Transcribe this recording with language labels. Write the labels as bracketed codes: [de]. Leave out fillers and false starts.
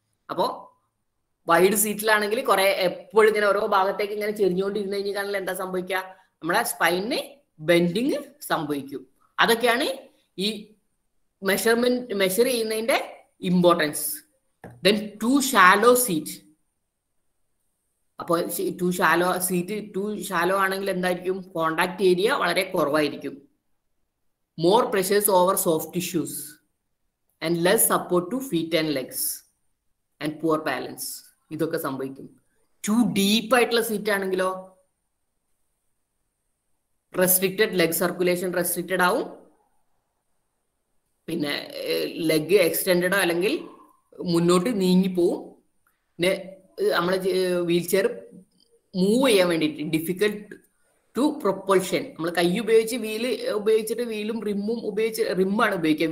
[ml] അപ്പോ വൈഡ് സീറ്റിലാണെങ്കിൽ കുറെ എപ്പോഴും ഇങ്ങനെ ഓരോ ഭാഗത്തേക്ക് ഇങ്ങനെ ചെരിഞ്ഞുകൊണ്ടിരുന്ന് കഴിഞ്ഞാൽ എന്താ സംഭവിക്കുക, നമ്മളെ സ്പൈനിന് ബെൻഡിങ് സംഭവിക്കും. അതൊക്കെയാണ് ഈ മെഷർമെന്റ് മെഷർ ചെയ്യുന്നതിന്റെ importance. Then to shallow seat, അപ്പോൾ to shallow seat, to shallow ആണെങ്കിൽ എന്തായിരിക്കും, കോൺടാക്ട് ഏരിയ വളരെ കുറവായിരിക്കും. [en] More pressures over soft tissues and less support to feet and legs and poor balance. [ml] ഇതൊക്കെ സംഭവിക്കും. Too deep ആയിട്ടുള്ള seat ആണെങ്കിലോ, [en] restricted leg circulation restricted [ml] ആവും. പിന്നെ [en] leg extended [ml] അല്ലെങ്കിൽ മുന്നോട്ട് നീങ്ങിപ്പോവും. പിന്നെ നമ്മളെ വീൽ ചെയർ മൂവ് ചെയ്യാൻ വേണ്ടിയിട്ട് ഡിഫിക്കൽട്ട് ടു പ്രൊപ്പൾഷൻ, നമ്മൾ കൈ ഉപയോഗിച്ച് വീല് ഉപയോഗിച്ചിട്ട് വീലും റിമ്മും ഉപയോഗിച്ച് റിമ്മാണ് ഉപയോഗിക്കുക.